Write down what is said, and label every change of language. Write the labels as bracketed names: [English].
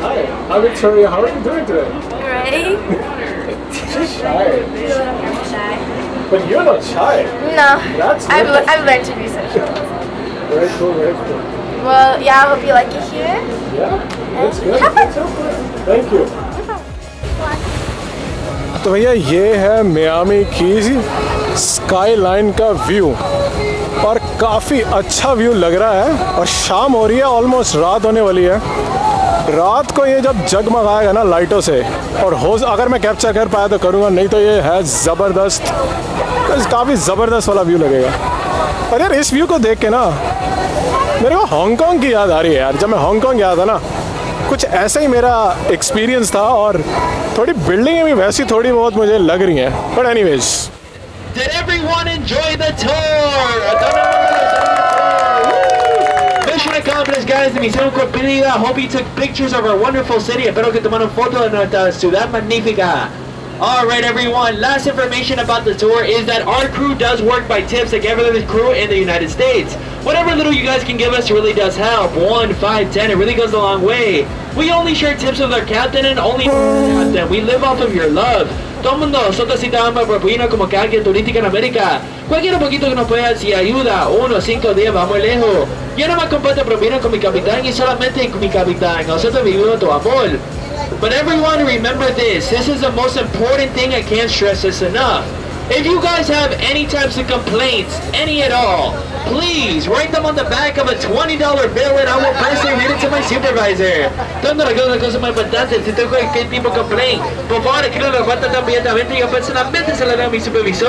[English] Hi. Hi, Victoria. How are you doing today? Great. She's shy. I'm shy. But you're not shy. No. That's I've learned to be social. Very cool. Well, yeah, I hope you like it here. Yeah, that's good. Thank you. [Hindi] तो भैया ये है Miami की skyline का view और काफ़ी अच्छा view लग रहा है और शाम हो रही है, ऑलमोस्ट रात होने वाली है। रात को ये जब जगमगाएगा ना लाइटों से और हो अगर मैं कैप्चर कर पाया तो करूँगा, नहीं तो ये है ज़बरदस्त, काफ़ी ज़बरदस्त वाला व्यू लगेगा। और यार इस व्यू को देख के ना मेरे को हांगकॉन्ग की याद आ रही है यार, जब मैं हांगकॉन्ग गया था ना कुछ ऐसा ही मेरा एक्सपीरियंस था और थोड़ी बिल्डिंगें भी वैसी थोड़ी बहुत मुझे लग रही हैं [English] But anyways did everyone enjoy the tour Mission accomplished, guys. [Spanish] Misión cumplida. [English] Hope you took pictures of our wonderful city. Espero que tomaron fotos de nuestra ciudad magnífica. All right, everyone. Last information about the tour is that our crew does work by tips like every other crew in the United States. Whatever little you guys can give us really does help. 1, 5, 10, it really goes a long way. We only share tips with our captain and only captain. We live off of your love. [Spanish] Todo mundo, nosotros estamos propina como cada guía turística en América. Cualquier poquito que nos pueda, si ayuda, 1, 5, 10, vamos lejos. Yo no me comparto propina con mi capitán y solamente con mi capitán. Nosotros vivimos tu amor. [English] But everyone, remember this. This is the most important thing. I can't stress this enough. If you guys have any types of complaints, any at all, please write them on the back of a $20 bill and I will personally read it to my supervisor. [Spanish] Todo lo que es una cosa muy importante, si tengo cualquier tipo de complaint, por favor, escribe la cuenta inmediatamente y yo personalmente se la doy a mi supervisor.